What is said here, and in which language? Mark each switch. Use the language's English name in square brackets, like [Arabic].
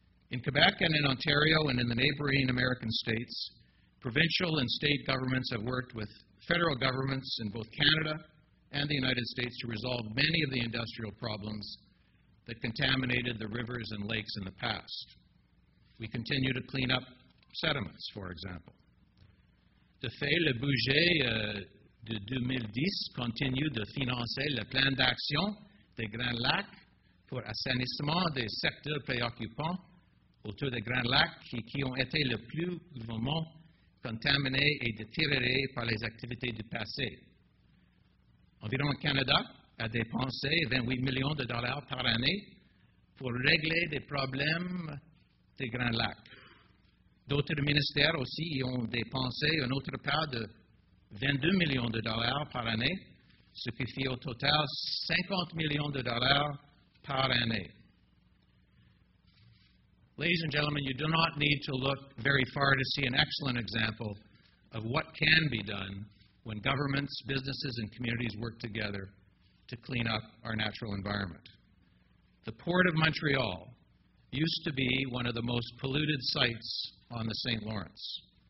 [English] In Quebec and in Ontario and in the neighboring American states, provincial and state governments have worked with federal governments in both Canada and the United States to resolve many of the industrial problems that contaminated the rivers and lakes in the past. We continue to clean up sediments, for example. [French] De fait, le budget de 2010 continue de financer le plan d'action des Grands Lacs pour assainissement des secteurs préoccupants autour des Grands Lacs qui ont été le plus vivement contaminés et détériorés par les activités du passé. Environnement Canada a dépensé $28 million par année pour régler des problèmes des Grands Lacs. D'autres ministères aussi y ont dépensé une autre part de $22 million par année, ce qui fait au total $50 million par année. [English] Ladies and gentlemen, you do not need to look very far to see an excellent example of what can be done when governments, businesses, and communities work together to clean up our natural environment. The Port of Montreal used to be one of the most polluted sites on the St. Lawrence.